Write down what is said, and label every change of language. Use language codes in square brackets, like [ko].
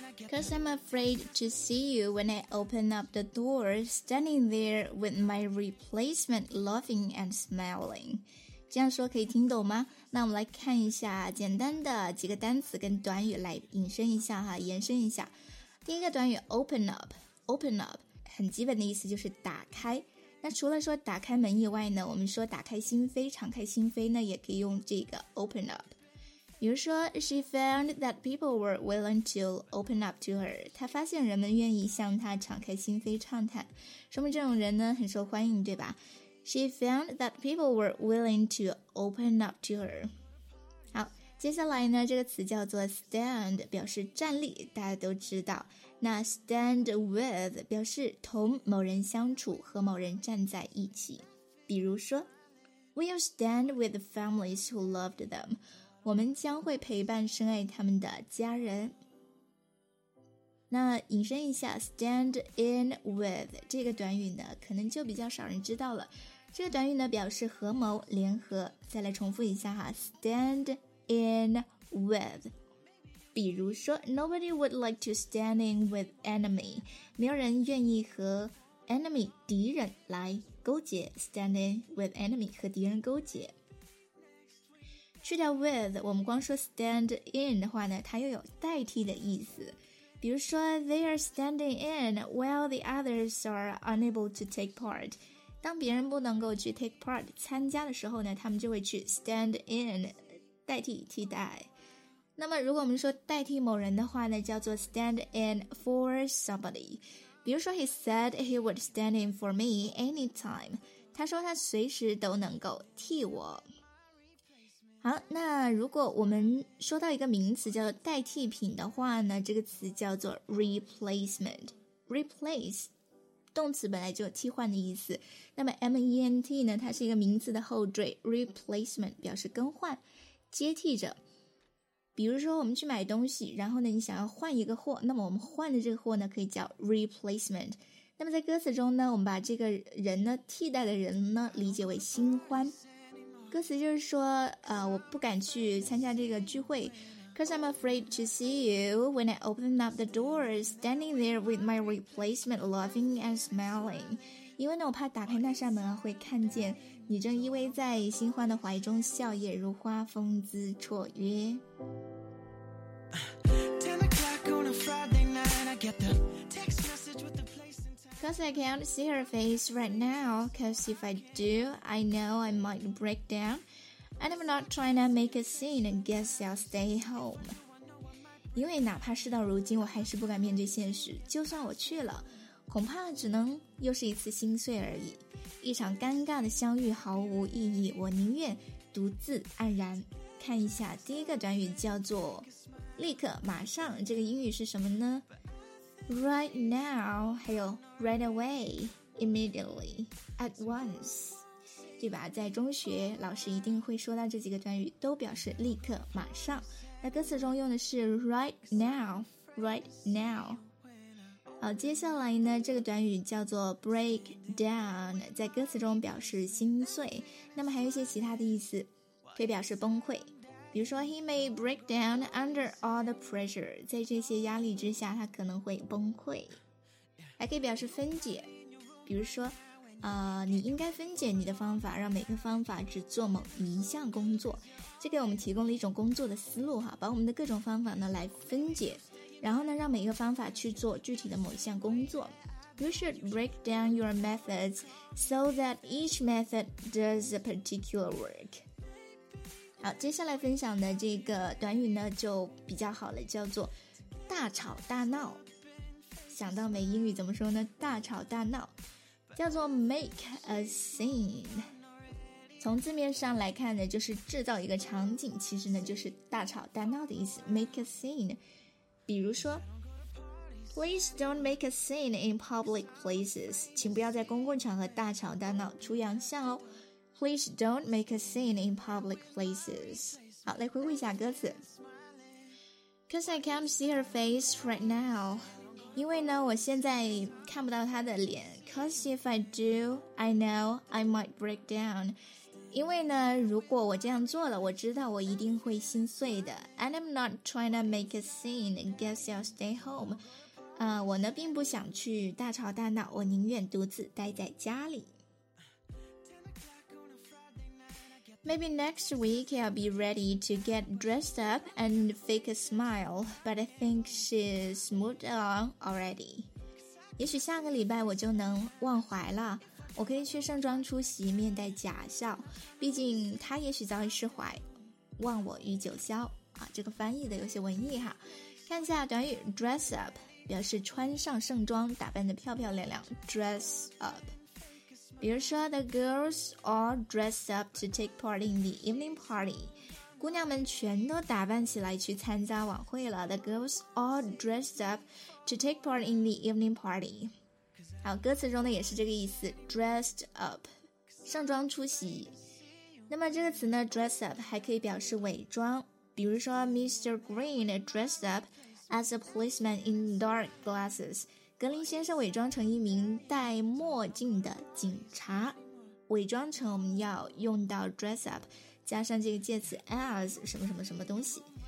[en] 'Cause I'm afraid to see you when I open up the door, standing there with my replacement laughing and smiling. [zh] 这样说可以听懂吗？那我们来看一下简单的几个单词跟短语来引申一下哈，延伸一下。第一个短语 open up， 很基本的意思就是打开。那除了说打开门以外呢，我们说打开心扉，敞开心扉呢，也可以用这个 open up。比如说 [en] ，She found that people were willing to open up to her。 [zh] 她发现人们愿意向她敞开心扉畅谈，说明这种人呢很受欢迎，对吧？ [en] She found that people were willing to open up to her. [zh] 好，接下来呢，这个词叫做 stand， 表示站立，大家都知道。那 stand with 表示同某人相处，和某人站在一起。比如说 [en] ，We'll stand with the families who loved them. [zh] 我们将会陪伴深爱他们的家人。那引申一下 stand in with 这个短语呢，可能就比较少人知道了。这个短语呢表示合谋联合，再来重复一下哈， stand in with。比如说 [en] Nobody would like to stand in with enemy， [zh] 没有人愿意和 enemy 敌人来勾结， [en] stand in with enemy [zh] 和敌人勾结。去掉 with， 我们光说 stand in 的话呢，它又有代替的意思。比如说 [en] they are standing in while the others are unable to take part. [zh] 当别人不能够去 take part, 参加的时候呢他们就会去 stand in, 代替替代。那么如果我们说代替某人的话呢叫做 stand in for somebody。比如说 [en] he said he would stand in for me anytime. [zh] 他说他随时都能够替我。好，那如果我们说到一个名词叫代替品的话呢，这个词叫做 replacement。 replace 动词本来就有替换的意思，那么 ment 呢，它是一个名词的后缀 ，replacement 表示更换、接替者。比如说我们去买东西，然后呢你想要换一个货，那么我们换的这个货呢可以叫 replacement。那么在歌词中呢，我们把这个人呢替代的人呢理解为新欢。歌词就是说我不敢去参加这个聚会 [en] Cause I'm afraid to see you when I open up the door Standing there with my replacement laughing and smiling [zh] 因为呢我怕打开那扇门会看见你正依偎在新欢的怀中笑靥如花风姿绰约 [en] 10 o'clock on a Friday night I get the text message with the place Cause I can't see her face right now, cause if I do, I know I might break down. And I'm not trying to make a scene, guess I'll stay home. [zh] 因为哪怕事到如今，我还是不敢面对现实。就算我去了，恐怕只能又是一次心碎而已。一场尴尬的相遇毫无意义，我宁愿独自黯然。看一下第一个短语叫做立刻、马上，这个英语是什么呢？ [en] Right now, [zh] 还有 [en] right away, immediately, at once, [zh] 对吧？在中学，老师一定会说到这几个短语，都表示立刻、马上。那歌词中用的是 right now, right now。好，接下来呢，这个短语叫做 break down, 在歌词中表示心碎。那么还有一些其他的意思，可以表示崩溃。比如说 [en] he may break down under all the pressure [zh] 在这些压力之下他可能会崩溃还可以表示分解比如说你应该分解你的方法让每个方法只做某一项工作这给我们提供了一种工作的思路哈，把我们的各种方法呢来分解然后呢让每个方法去做具体的某一项工作 [en] you should break down your methods so that each method does a particular work [zh] 好，接下来分享的这个短语呢就比较好了，叫做大吵大闹。想到没英语怎么说呢？大吵大闹，叫做 make a scene。从字面上来看呢，就是制造一个场景，其实呢就是大吵大闹的意思 ，make a scene。比如说 ， [en] Please don't make a scene in public places， [zh] 请不要在公共场合大吵大闹，出洋相哦。 [en] Please don't make a scene in public places. [zh] 好，来回顾一下歌词。 [en] Cause I can't see her face right now. [zh] 因为呢，我现在看不到她的脸。 [en] Cause if I do, I know I might break down. [zh] 因为呢，如果我这样做了，我知道我一定会心碎的。 [en] And I'm not trying to make a scene. Guess I'll stay home. [zh] 我呢并不想去大吵大闹，我宁愿独自待在家里。 [en] Maybe next week I'll be ready to get dressed up and fake a smile, but I think she's moved on already. [zh] 也许下个礼拜我就能忘怀了，我可以去盛装出席，面带假笑。毕竟她也许早已释怀，忘我于九霄。啊，这个翻译的有些文艺哈。看一下短语 dress up， 表示穿上盛装，打扮得漂漂亮亮。 [en] Dress up。比如说 The girls all dress up to take part in the evening party [zh] 姑娘们全都打扮起来去参加晚会了 [en] The girls all dress up to take part in the evening party [zh] 好歌词中呢也是这个意思 [en] Dressed up [zh] 盛装出席那么这个词呢 [en] Dress up [zh] 还可以表示伪装比如说 [en] Mr. Green dressed up as a policeman in dark glasses [zh] 格林先生伪装成一名戴墨镜的警察。伪装成我们要用到 dress up, 加上这个介词 as 什么什么什么东西。